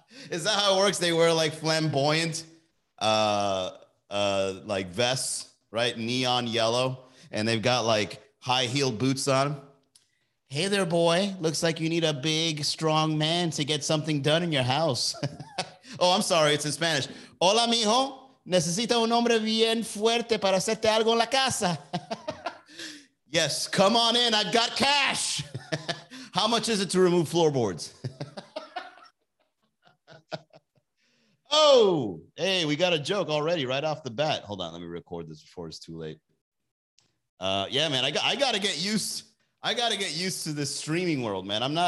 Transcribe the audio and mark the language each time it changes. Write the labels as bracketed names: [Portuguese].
[English] Is that how it works? They wear like flamboyant, like vests, right? Neon yellow. And they've got like high heeled boots on. Hey there, boy. Looks like you need a big, strong man to get something done in your house. Oh, I'm sorry. It's in Spanish. [Spanish] Hola, mijo. Necesita un hombre bien fuerte para hacerte algo en la casa. [English] Yes, come on in. I've got cash. How much is it to remove floorboards? Oh, hey, we got a joke already right off the bat. Hold on. Let me record this before it's too late. Yeah, man, I got to get used to this streaming world, man.